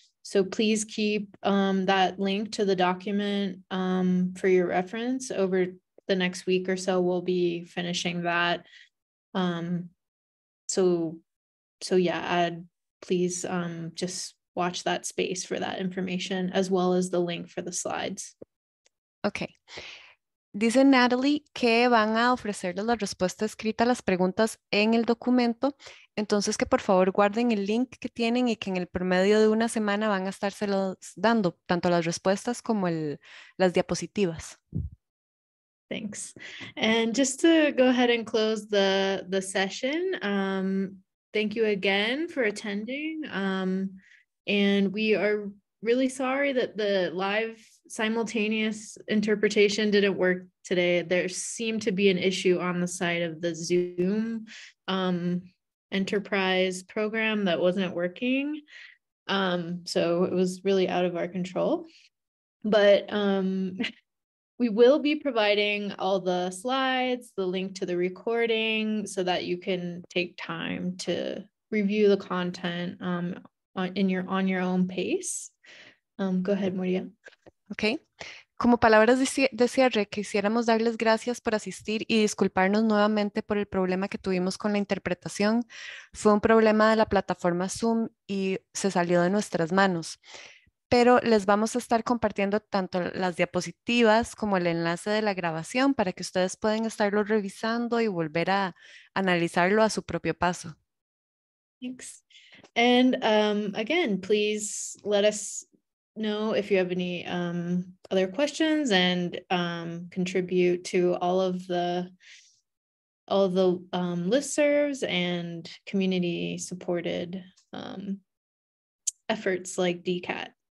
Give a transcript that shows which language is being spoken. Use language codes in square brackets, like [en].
[en] So please keep that link to the document for your reference. Over the next week or so, we'll be finishing that. Please just watch that space for that information, as well as the link for the slides. Okay. [es] Dice Natalie que van a ofrecerles la respuesta escrita a las preguntas en el documento, entonces que por favor guarden el link que tienen y que en el promedio de una semana van a estárselos dando, tanto las respuestas como las diapositivas. [en] Thanks. And just to go ahead and close the session, thank you again for attending. And we are really sorry that the live simultaneous interpretation didn't work today. There seemed to be an issue on the side of the Zoom enterprise program that wasn't working. So it was really out of our control. But we will be providing all the slides, the link to the recording, so that you can take time to review the content on your own pace. Go ahead, Maria. Okay. [es] Como palabras de cierre, quisiéramos darles gracias por asistir y disculparnos nuevamente por el problema que tuvimos con la interpretación. Fue un problema de la plataforma Zoom y se salió de nuestras manos. Pero les vamos a estar compartiendo tanto las diapositivas como el enlace de la grabación para que ustedes puedan estarlo revisando y volver a analizarlo a su propio paso. [en] Thanks. And again, please let us know if you have any other questions, and contribute to all of the listservs and community supported efforts like DCAT.